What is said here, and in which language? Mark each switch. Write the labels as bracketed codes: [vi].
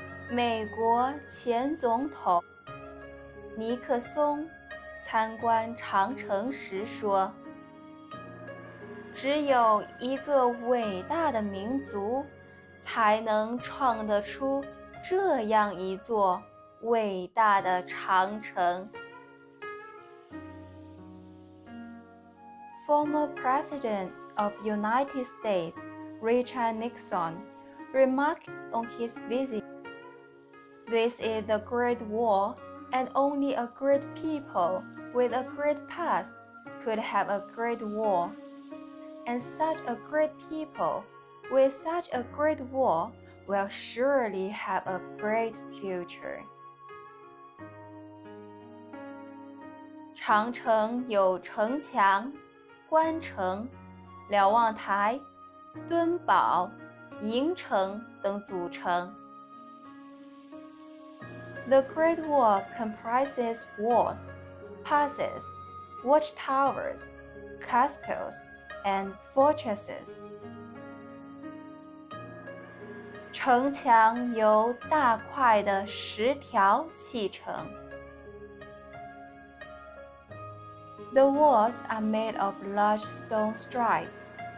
[zh] 美国前总统尼克松参观长城时说，只有一个伟大的民族才能创得出这样一座伟大的长城。 [en] Former President of United States Richard Nixon remarked on his visit, "This is a great wall, and only a great people with a great past could have a great wall. And such a great people with such a great wall will surely have a great future." [zh] 长城有城墙、关城、瞭望台、墩堡、营城等组成。 [en] The Great Wall comprises walls, passes, watchtowers, castles, and fortresses. [zh] 城墙由大块的石条砌成。 [en] The walls are made of large stone stripes.